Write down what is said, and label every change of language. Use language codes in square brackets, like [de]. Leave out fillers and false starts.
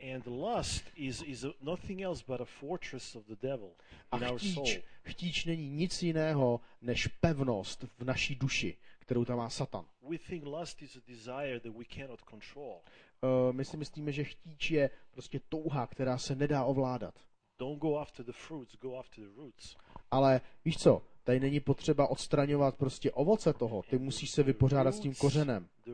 [en] And lust is nothing else but a fortress of the devil in our soul. [cs] A chtíč není nic jiného než pevnost v naší duši, kterou tam má Satan. [en] We think lust is a desire that we cannot control. [cs] My si myslíme, že chtíč je prostě touha, která se nedá ovládat. [en] Don't go after the fruits, go after the roots. [cs] Ale víš co? Tady není potřeba odstraňovat prostě ovoce toho. Ty musíš se vypořádat s tím kořenem.